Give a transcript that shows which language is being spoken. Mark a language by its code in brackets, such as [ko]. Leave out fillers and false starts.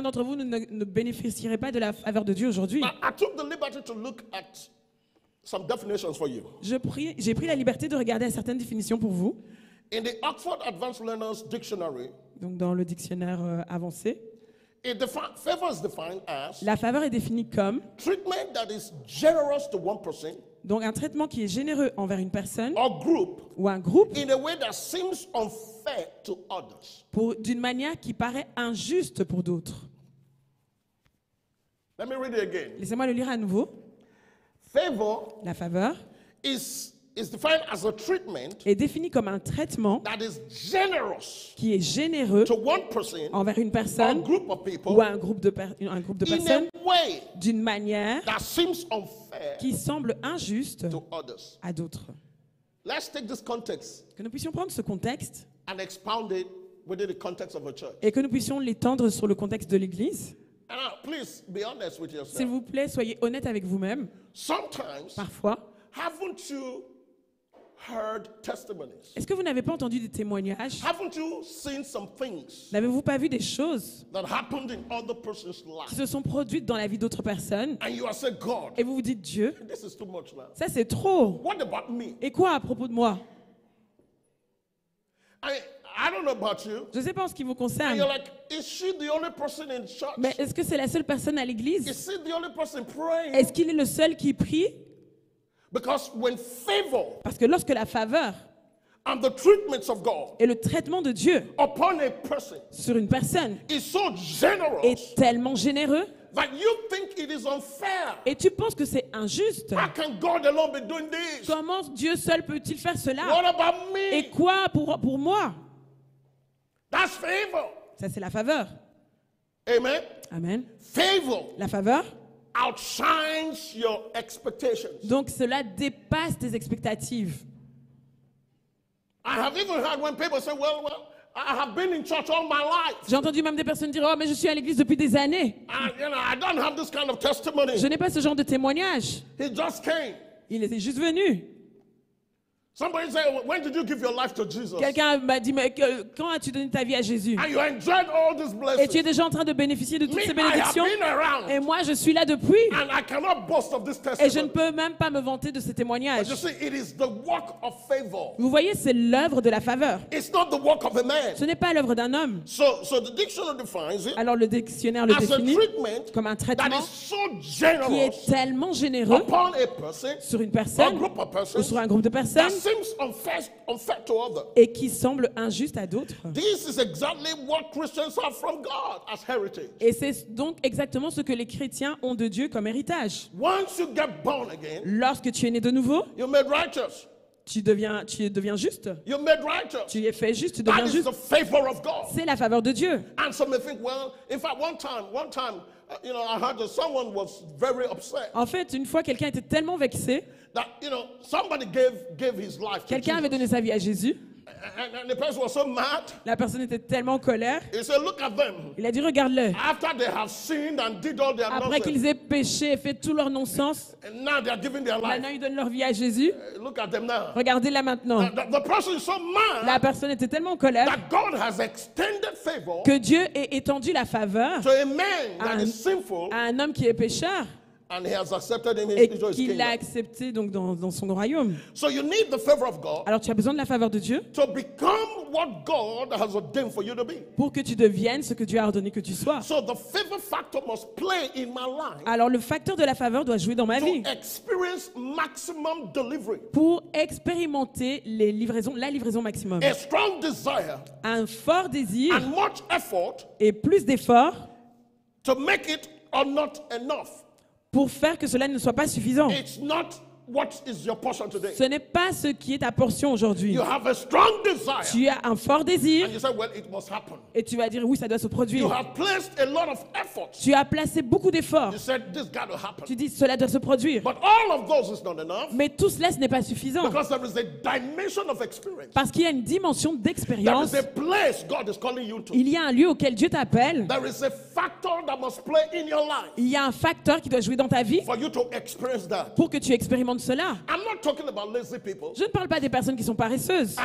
[fr] D'entre vous ne bénéficieraient pas de la faveur de Dieu aujourd'hui. [en] But I took the liberty to look at some definitions for you. [fr] J'ai pris la liberté de regarder certaines définitions pour vous. [en] In the Oxford Advanced Learners Dictionary, [fr] donc dans le dictionnaire avancé, [en] favor is defined as [fr] la faveur est définie comme [en] treatment that is generous to one person, [fr] donc un traitement qui est généreux envers une personne [en] or group, [fr] ou un groupe [en] in a way that seems unfair to others. [fr] Pour, d'une manière qui paraît injuste pour d'autres. [en] Let me read it again. [fr] Laissez-moi le lire à nouveau. [en] Favor [fr] la faveur [en] is defined as a treatment [fr] est défini comme un traitement [en] that is generous [fr] qui est généreux [en] to one person [fr] envers une personne [en] or a group of people [fr] ou un groupe de personnes [en] in a way [fr] d'une manière [en] that seems unfair [fr] qui semble injuste [en] to others. [fr] À d'autres. [en] Let's take this context [fr] que nous puissions prendre ce contexte [en] and expound it within the context of a church. [fr] Et que nous puissions l'étendre sur le contexte de l'Église. [en] Please be honest with yourself. [fr] S'il vous plaît, soyez honnête avec vous-même. [en] Sometimes, [fr] parfois, [en] haven't you heard testimonies? [fr] Est-ce que vous n'avez pas entendu des témoignages? [en] Haven't you seen some things? [fr] N'avez-vous pas vu des choses [en] that happened in other person's life? [fr] Qui se sont produites dans la vie d'autres personnes? [en] And you are saying God. [fr] Et vous vous dites Dieu? [en] This is too much now. [fr] Ça c'est trop. [en] What about me? [fr] Et quoi à propos de moi? [en] I mean, I don't know about you. [fr] Je sais pas en ce qui vous concerne. [en] You're like, is she the only person in church? [fr] Mais est-ce que c'est la seule personne à l'église? [en] Is she the only person praying? [fr] Est-ce qu'il est le seul qui prie? [en] Because when favor, [fr] parce que lorsque la faveur [en] and the treatments of God [fr] et le traitement de Dieu [en] upon a person [fr] sur une personne [en] is so generous, [fr] est tellement généreux [en] that you think it is unfair. [fr] Et tu penses que c'est injuste. [en] How can God alone be doing this? [fr] Comment Dieu seul peut-il faire cela? [en] What about me? [fr] Et quoi pour moi? [en] That's favor. [fr] Ça, c'est la faveur. [en] Amen. Amen. Favor. [fr] La faveur [en] outshines your expectations. [fr] Donc cela dépasse tes expectatives. [en] I have even heard when people say, well, I have been in church all my life. [fr] J'ai entendu même des personnes dire, oh, mais je suis à l'église depuis des années. [en] I don't have this kind of testimony. [fr] Je n'ai pas ce genre de témoignage. [en] He just came. [fr] Il est juste venu. [en] Somebody said, when did you give your life to Jesus? [fr] Quelqu'un m'a dit, mais quand as-tu donné ta vie à Jésus? [en] And you enjoyed all these blessings. [fr] Et tu es déjà en train de bénéficier de toutes [en] me, [fr] ces bénédictions. [en] I have been around. [fr] Et moi, je suis là depuis. [en] And I cannot boast of this testimony. [fr] Et je ne peux même pas me vanter de ce témoignage. [en] But you see, it is the work of favor. [fr] Vous voyez, c'est l'œuvre de la faveur. [en] It's not the work of a man. [fr] Ce n'est pas l'œuvre d'un homme. [en] So the dictionary defines it. [fr] Alors le dictionnaire le définit [en] a treatment [fr] comme un traitement [en] that is so generous [fr] qui est tellement généreux [en] upon a person, [fr] sur une personne [en] or group of persons, [fr] ou sur un groupe de personnes [en] seems unfair to others. [fr] Et qui semble injuste à d'autres. [en] This is exactly what Christians have from God as heritage. [fr] Et c'est donc exactement ce que les chrétiens ont de Dieu comme héritage. [en] Once you get born again, [fr] lorsque tu es né de nouveau, [en] you're made righteous. [fr] Tu deviens juste. [en] You're made righteous. [fr] Tu es fait juste, tu deviens juste. [en] That is the favor of God. [fr] C'est la faveur de Dieu. [en] And some may think, well, in fact, one time, you know, I heard that someone was very upset. [fr] En fait, une fois, quelqu'un était tellement vexé. [en] That, you know, somebody gave his life. [fr] Quelqu'un [en] to [fr] avait [en] Jesus. [fr] Donné sa vie à Jésus. [en] And the person was so mad. [fr] La personne était tellement en colère. [en] He said, "Look at them." [fr] Il a dit, regarde-les. [en] After they have sinned and did all their [fr] après qu'ils aient péché et fait tout leur non-sens. [en] And now they are giving their life. [fr] Maintenant ils donnent leur vie à Jésus. [en] Look at them now. [fr] Regardez-la maintenant. [en] The person is so mad. [fr] La personne était tellement en colère. [en] That God has extended favor. [fr] Que Dieu ait étendu la faveur. [en] To a man that is sinful. [fr] À un homme qui est pécheur. [en] And he has accepted him [fr] et qu'il l'a accepté donc dans son royaume. [en] So you need the favor of God. [fr] Alors tu as besoin de la faveur de Dieu. [en] To become what God has ordained for you to be. [fr] Pour que tu deviennes ce que Dieu a ordonné que tu sois. [en] So the favor factor must play in my life. [fr] Alors le facteur de la faveur doit jouer dans ma [en] to [fr] vie. [en] To experience maximum delivery. [fr] Pour expérimenter la livraison maximum. [en] A strong desire. [fr] Un fort désir. [en] And much effort. [fr] Et plus d'effort. [en] To make it or not enough. [fr] Pour faire que cela ne soit pas suffisant. [en] It's not what is your portion today. [fr] Ce n'est pas ce qui est ta portion aujourd'hui. [en] You have a strong desire. [fr] Tu as un fort désir. [en] And you say, well, it must happen. [fr] Et tu vas dire, oui, ça doit se produire. [en] You have placed a lot of effort. [fr] Tu as placé beaucoup d'efforts. [en] You said, this got to happen. [fr] Tu dis, cela doit se produire. [en] But all of those is not enough. [fr] Mais tout cela, ce n'est pas suffisant. [en] Because there is a dimension of experience. [fr] Parce qu'il y a une dimension d'expérience. [en] There is a place God is calling you to. [fr] Il y a un lieu auquel Dieu t'appelle. [en] There is a factor that must play in your life. [fr] Il y a un facteur qui doit jouer dans ta vie. [en] For you to experience that. [fr] Pour que tu expérimentes cela. [en] I'm not talking about lazy people. [fr] Je ne parle pas des personnes qui sont paresseuses.